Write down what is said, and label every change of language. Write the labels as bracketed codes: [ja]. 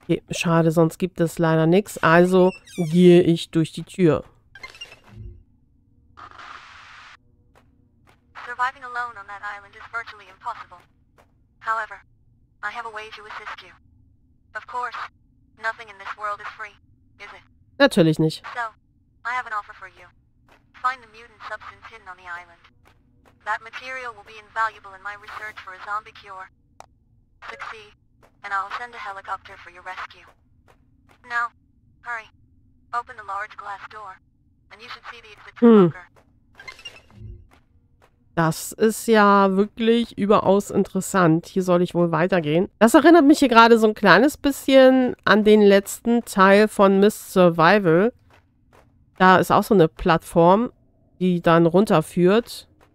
[de] Schade, sonst gibt es leider nichts. Also gehe ich durch die Tür. [en] Surviving alone on that island is virtually impossible. However, I have a way to assist you. Of course, nothing in this world is free, is it? [de] Natürlich nicht. [en] So, I have an offer for you. Find the mutant substance hidden on the island. That material will be invaluable in my research for a zombie cure. Succeed. And I'll send a helicopter for your rescue. Now, hurry. Open the large glass door. And you should see the exit bunker. [de] Das ist ja wirklich überaus interessant. Hier soll ich wohl weitergehen. Das erinnert mich hier gerade so ein kleines bisschen an den letzten Teil von Miss Survival. Da ist auch so eine Plattform, die dann runterführt.